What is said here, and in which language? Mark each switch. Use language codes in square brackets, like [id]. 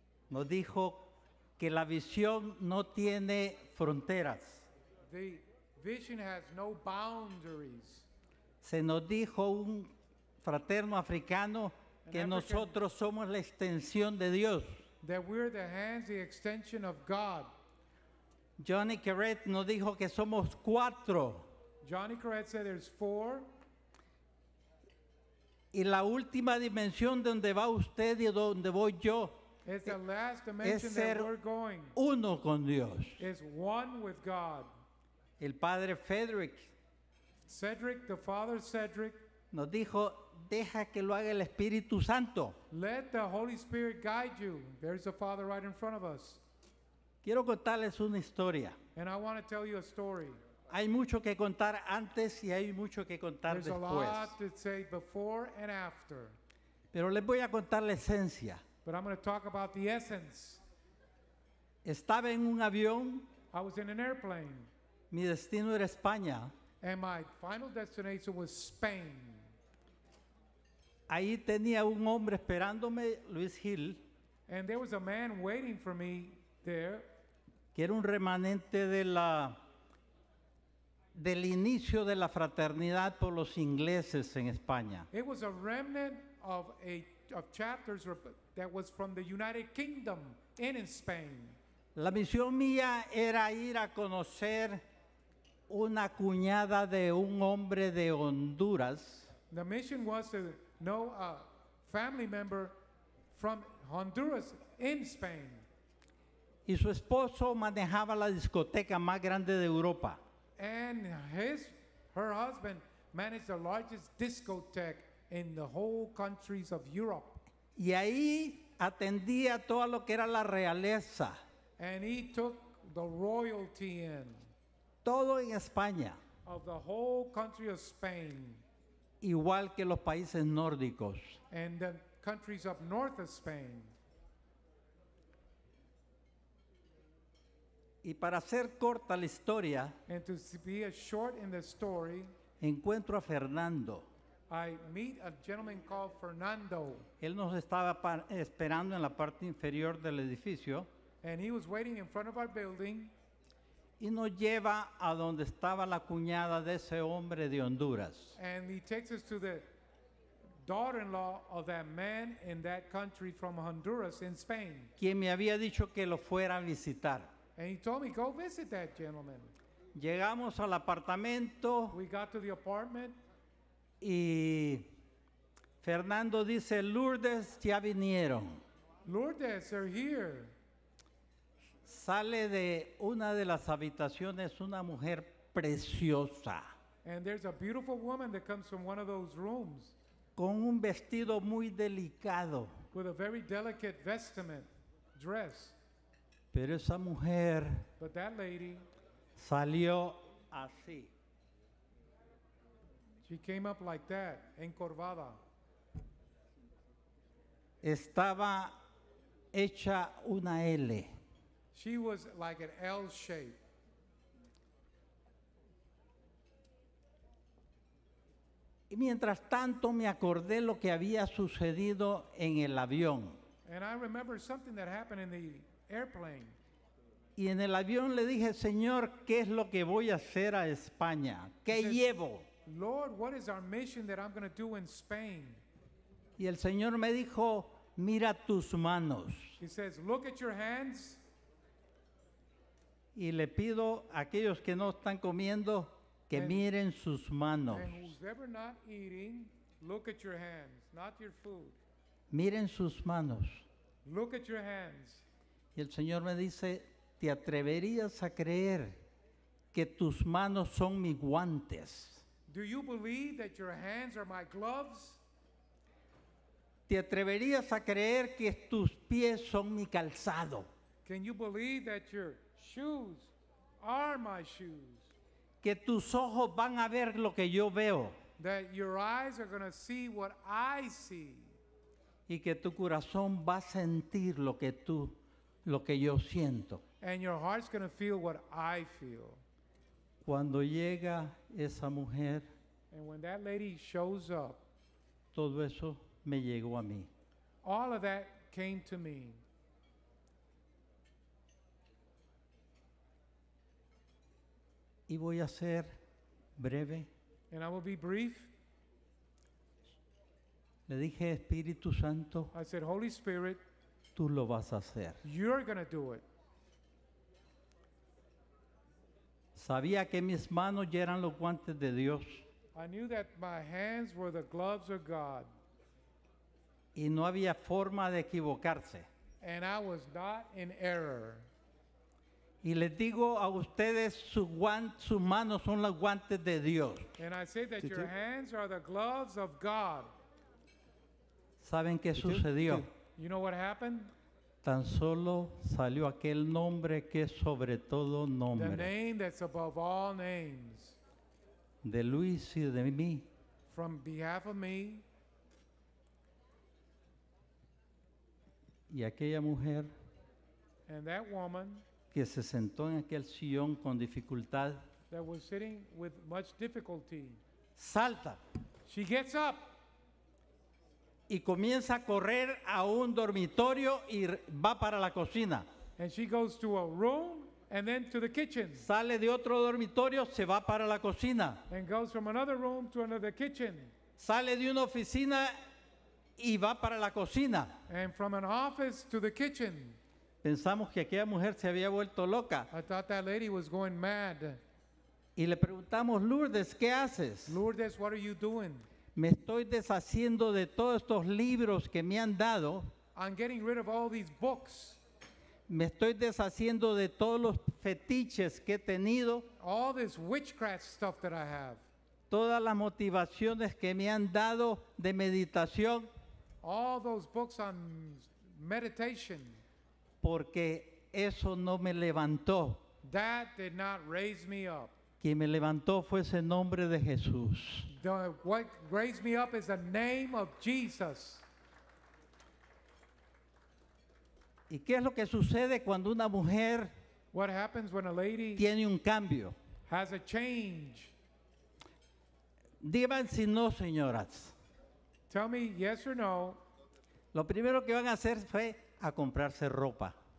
[es] Nos dijo que la visión no tiene fronteras. [en] The vision has no boundaries. [es] Se nos dijo un fraterno africano que nosotros somos la extensión de Dios. [en] That we're the hands, the extension of God. [es] Johnny Carrett nos dijo que somos cuatro. [en] Johnny Carrett said there's four. [es] Y la última dimensión donde va usted y donde voy yo. [en] It's the last dimension that we're going. [es] Uno con Dios. [en] It's one with God. [es] El padre Cedric, [en] the father Cedric, [es] nos dijo, deja que lo haga el Espíritu Santo. [en] Let the Holy Spirit guide you. There's the Father right in front of us. [es] Quiero contarles una historia. [en] And I want to tell you a story. [es] Hay mucho que contar antes y hay mucho que contar [en] There's [es] después. [en] There's a lot to say before and after. [es] Pero les voy a contar la esencia. [en] But I'm going to talk about the essence. [es] Estaba en un avión. [en] I was in an airplane. [es] Mi destino era España. [en] And my final destination was Spain. [es] Ahí tenía un hombre esperándome, Luis Hill. [en] And there was a man waiting for me there. [es] Que era un remanente del inicio de la fraternidad por los ingleses en España. [en] It was a remnant of chapters that was from the United Kingdom in Spain. [es] La misión mía era ir a conocer una cuñada de un hombre de Honduras. [en] The mission was to know a family member from Honduras in Spain. [es] Y su esposo manejaba la discoteca más grande de Europa. [en] And her husband managed the largest discotheque in the whole countries of Europe. [es] Y ahí atendía todo lo que era la realeza. [en] And he took the royalty in. [es] Todo en España. [en] Of the whole country of Spain. [es] Igual que los países nórdicos. [en] And the countries up north of Spain. [es] Y para hacer corta la historia. [en] And to be a short in the story. [es] Encuentro a Fernando. [en] I meet a gentleman called Fernando. [es] Él nos estaba esperando en la parte inferior del edificio. [en] And he was waiting in front of our building. [es] Y nos lleva a donde estaba la cuñada de ese hombre de Honduras. [en] And he takes us to the daughter-in-law of that man in that country from Honduras in Spain. [es] Quien me había dicho que lo fuera a visitar. [en] And he told me, go visit that gentleman. [es] Llegamos al apartamento. [en] We got to the apartment. [es] Y Fernando dice, Lourdes, ya vinieron. [en] Lourdes, they're here. [es] Sale de una de las habitaciones una mujer preciosa. [en] And there's a beautiful woman that comes from one of those rooms. [es] Con un vestido muy delicado. [en] With a very delicate vestment, dress. [es] Pero esa mujer. [en] But that lady. [es] Salió así. [en] She came up like that, encorvada. [es] Estaba hecha una L. [en] She was like an L shape. [es] Y mientras tanto me acordé lo que había sucedido en el avión. [en] And I remember something that happened in the airplane. [es] Y en el avión le dije, Señor, ¿qué es lo que voy a hacer a España? ¿Qué [en] said, [es] llevo? [en] Lord, what is our mission that I'm going to do in Spain? [es] Y el Señor me dijo, mira tus manos. [en] He says, look at your hands. [es] Y le pido a aquellos que no están comiendo que [en] and, [es] miren sus manos. [en] And who's ever not eating, look at your hands, not your food. [es] Miren sus manos. [en] Look at your hands. [es] Y el Señor me dice, ¿te atreverías a creer que tus manos son mis guantes? [en] Do you believe that your hands are my gloves? [es] ¿Te atreverías a creer que tus pies son mi calzado? [en] Can you believe that your shoes are my shoes? [es] Que tus ojos van a ver lo que yo veo. [en] That your eyes are going to see what I see. [es] Y que tu corazón va a sentir lo que tú, lo que yo siento. [en] And your heart's going to feel what I feel. [es] Cuando llega esa mujer, [en] and when that lady shows up, [es] todo eso me llegó a mí. [en] All of that came to me. [es] Y voy a ser breve. [en] And I will be brief. [es] Le dije, Espíritu Santo, [en] I said, Holy Spirit, [es] tú lo vas a hacer. [en] You're going to do it. [es] Sabía que mis manos ya eran los guantes de Dios. [en] I knew that my hands were the gloves of God. [es] Y no había forma de equivocarse. [en] And I was not in error. [es] Y les digo a ustedes, sus manos son los guantes de Dios. [en] And I say that your hands are the gloves of God. [es] ¿Saben qué sucedió? [en] You know what happened? [es] Tan solo salió aquel nombre que es sobre todo nombre. [en] The name that's above all names. [es] De Luis y de mí. [en] From behalf of me. [es] Y aquella mujer. [en] And that woman. [es] Que se sentó en aquel sillón con dificultad. [en] That was sitting with much difficulty. [es] Salta. [en] She gets up. [es] Y comienza a correr a un dormitorio y va para la cocina. [en] And she goes to a room and then to the kitchen. [es] Sale de otro dormitorio, se va para la cocina. [en] And goes from another room to another kitchen. [es] Sale de una oficina y va para la cocina. [en] And from an office to the kitchen. [es] Pensamos que aquella mujer se había vuelto loca. [en] I thought that lady was going mad. [es] Y le preguntamos, Lourdes, ¿qué haces? [en] Lourdes, what are you doing? [es] Me estoy deshaciendo de todos estos libros que me han dado. [en] I'm getting rid of all these books. [es] Me estoy deshaciendo de todos los fetiches que he tenido. [en] All this witchcraft stuff that I have. [es] Todas las motivaciones que me han dado de meditación. [en] All those books on meditation. [es] Porque eso no me levantó. [en] That did not raise me up. [es] Quien me levantó fue ese nombre de Jesús. [en] What raised me up is the name of Jesus. [es] ¿Y qué es lo que sucede cuando una mujer [en] what happens when a lady [es] tiene un cambio? [en] Has a change. [es] Digan si no, señoras. [en] Tell me yes or no. [es] Lo primero que van a hacer fue a comprarse ropa.